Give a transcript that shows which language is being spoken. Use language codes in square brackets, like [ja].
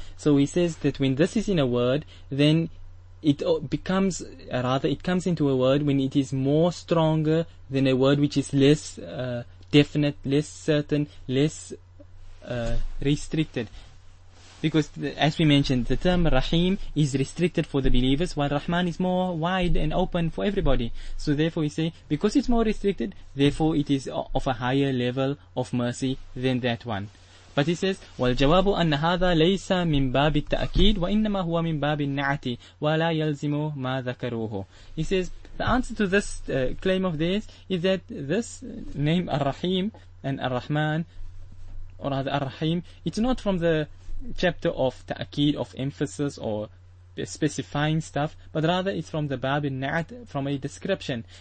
[en] So he says that when this is in a word, then it becomes, rather it comes into a word when it is more stronger than a word which is less definite, less certain, less restricted. Because as we mentioned, the term Rahim is restricted for the believers, while Rahman is more wide and open for everybody. So therefore we say, because it's more restricted, therefore it is of a higher level of mercy than that one. But he says, [ar] وَالْجَوَابُ أَنَّ هَذَا لَيْسَ مِنْ بَابِ التَّأَكِيدِ وَإِنَّمَا هُوَ مِنْ بَابِ النَّعَتِ وَلَا يَلْزِمُ مَا ذَكَرُوهُ. [en] He says, the answer to this claim of theirs is that this name Ar-Rahim and Ar-Rahman, or rather Ar-Rahim, it's not from the chapter of ta'akid, of emphasis or specifying stuff, but rather it's from the bab al-na'at, from a description.